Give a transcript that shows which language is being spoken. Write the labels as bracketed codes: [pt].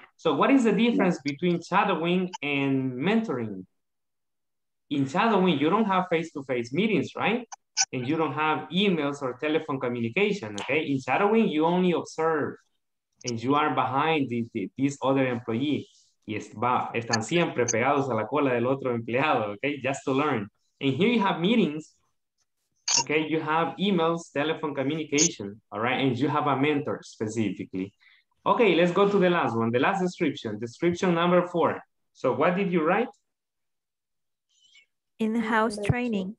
[en] So what is the difference between shadowing and mentoring? In shadowing, you don't have face-to-face meetings, right? And you don't have emails or telephone communication, okay? In shadowing, you only observe, and you are behind this other employee. [es] Y están siempre pegados a la cola del otro empleado, okay? [en] Just to learn. And here you have meetings, okay, you have emails, telephone communication, all right? And you have a mentor specifically. Okay, let's go to the last one, the last description, description number four. So what did you write? In-house training.